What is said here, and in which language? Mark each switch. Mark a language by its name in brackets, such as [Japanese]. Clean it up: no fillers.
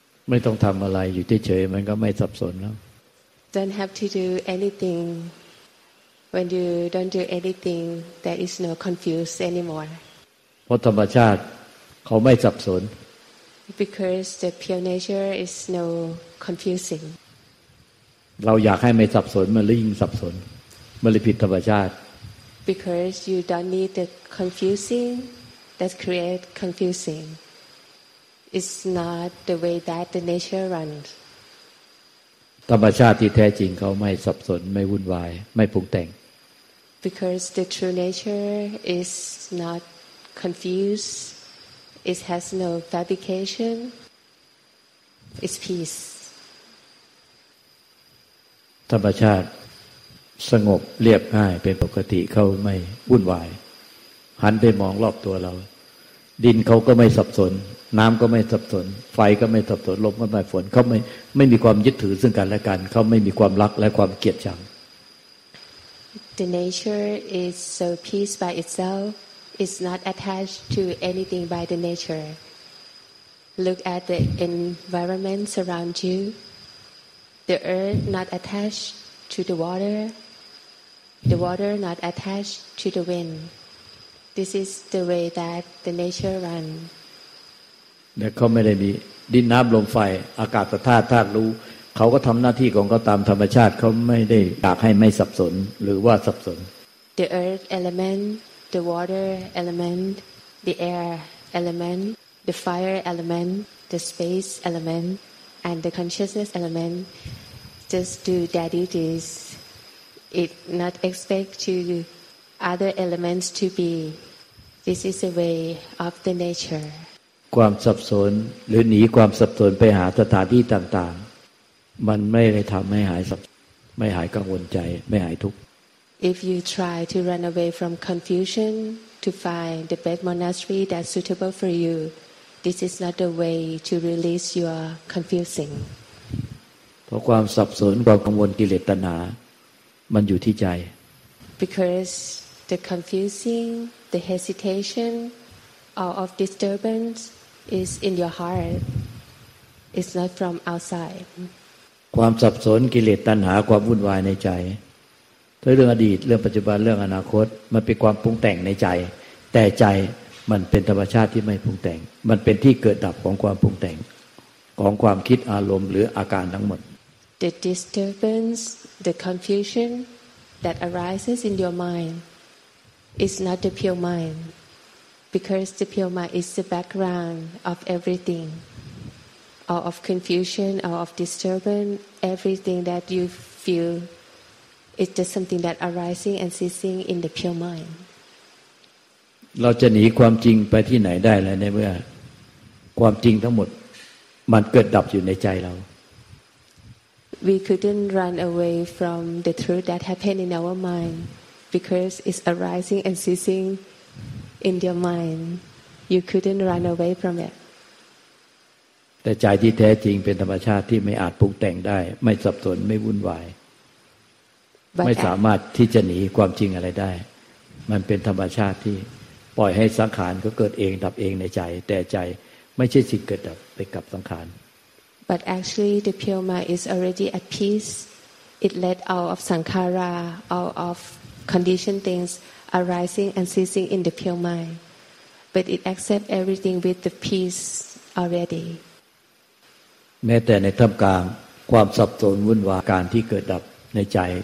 [Thai] ไม่ต้องทำอะไรอยู่เฉยๆมันก็ไม่สับสนแล้ว [English] Don't have to do anything when you don't do anything there is no confused anymore [Thai] เพราะธรรมชาติเขาไม่สับสน [English] Because the pure nature is no confusing [Thai] เราอยากให้ไม่สับสนมันเลยยิ่งสับสนมันเลยผิดธรรมชาติ [English] Because you don't need the confusing that create confusing. It's not the way that the nature runs. [Thai] ธรรมชาติที่แท้จริงเขาไม่สับสนไม่วุ่นวายไม่ปรุงแต่ง [English] Because the true nature is not confused. It has no fabrication. It's peace. [Thai] ธรรมชาติสงบเรียบง่ายเป็นปกติเขาไม่วุ่นวายหันไปมองรอบตัวเราดินเขาก็ไม่สับสนน้ำก็ไม่สับสนไฟก็ไม่สับสนลมก็ไม่ฝนเขาไม่มีความยึดถือซึ่งกันและกันเขาไม่มีความรักและความเกลียดชัง [English] The nature is so peace by itself. It's not attached to anything by the nature. Look at the environment around you. The earth not attached to the water. The water not attached to the wind. This is the way that the nature run. [Thai] เขาไม่ได้มีดินน้ำลมไฟอากาศธาตุรู้เขาก็ทำหน้าที่ของเขาตามธรรมชาติเขาไม่ได้อยากให้ไม่สับสนหรือว่าสับสน [English] The earth element, the water element, the air element, the fire element, the space elementAnd the consciousness element just do that it is. It not expect to other elements to be. This is the way of the nature. [Thai] ความสับสนหรือหนีความสับสนไปหาสถานที่ต่างๆมันไม่ได้ทำให้หายสับไม่หายกังวลใจไม่หายทุกข์ [English] If you try to run away from confusion to find the best monastery that's suitable for you. This is not the way to release your confusing. [Thai] เพราะความสับสนความกังวลกิเลสตัณหามันอยู่ที่ใจ [English] Because the confusing, the hesitation, all of disturbance is in your heart. It's not from outside. [Thai] ความสับสนกิเลสตัณหาความวุ่นวายในใจทั้งเรื่องอดีตเรื่องปัจจุบันเรื่องอนาคตมันเป็นความปรุงแต่งในใจแต่ใจมันเป็นธรรมชาติที่ไม่ปรุงแต่งมันเป็นที่เกิดดับของความปรุงแต่งของความคิดอารมณ์หรืออาการทั้งหมด [English] The disturbance, the confusion that arises in your mind is not the pure mind because the pure mind is the background of everything all of confusion, all of disturbance everything that you feel is just something that arising and ceasing in the pure mind [Thai] เราจะหนีความจริงไปที่ไหนได้เลยในเมื่อความจริงทั้งหมดมันเกิดดับอยู่ในใจเรา [English] We couldn't run away from the truth that happened in our mind because it's arising and ceasing in your mind. You couldn't run away from it. [Thai] แต่ใจที่แท้จริงเป็นธรรมชาติที่ไม่อาจปรุงแต่งได้ไม่สับสนไม่วุ่นวาย [English] But [Thai] ไม่สามารถที่จะหนีความจริงอะไรได้มันเป็นธรรมชาติที่ปล่อยให้สังขารก็เกิดเองดับเองในใจแต่ใจไม่ใช่สิ่งเกิดดับไปกับสังขาร [English] But actually the pure mind is already at peace. It let all of sankhara, all of conditioned things arising and ceasing in the pure mind. But it accept everything with the peace already. [Thai] แม้แต่ในท่ามกลางความสับสนวุ่นวายการที่เกิดดับในใจ